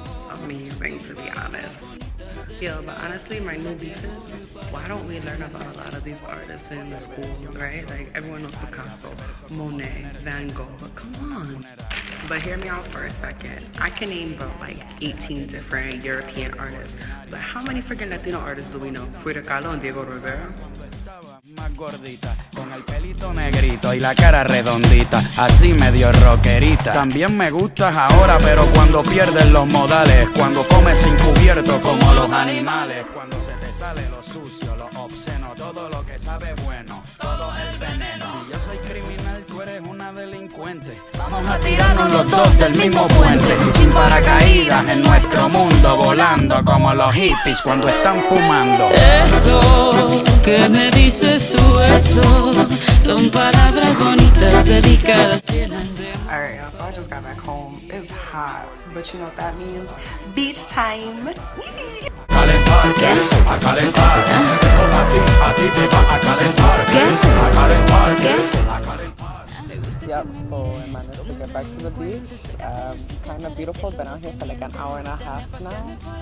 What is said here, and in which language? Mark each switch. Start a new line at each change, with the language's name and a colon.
English: Amazing, to be honest. Yeah, but honestly, my new beef is, why don't we learn about a lot of these artists in the school, right? Like, everyone knows Picasso, Monet, Van Gogh, but come on. But hear me out for a second. I can name about like 18 different European artists, but how many freaking Latino artists do we know? Frida Kahlo and Diego Rivera?
Spanish: Gordita, con el pelito negrito y la cara redondita, así medio rockerita. También me gustas ahora, pero cuando pierdes los modales, cuando comes sin cubierto como los animales, cuando se te sale lo sucio, lo obsceno, todo lo que sabe bueno, todo el veneno. Si yo soy criminal, tú eres una delincuente. Vamos a tirarnos los dos del mismo puente, sin paracaídas en nuestro mundo, volando como los hippies cuando están fumando. Eso que me dices tú, eso Son palabras bonitas, delicadas.
English: All right, y'all, so I just got back home. It's hot, but you know what that means? Beach time. Yep, so I managed to get back to the beach. Kind of beautiful, been out here for like an hour and a half now.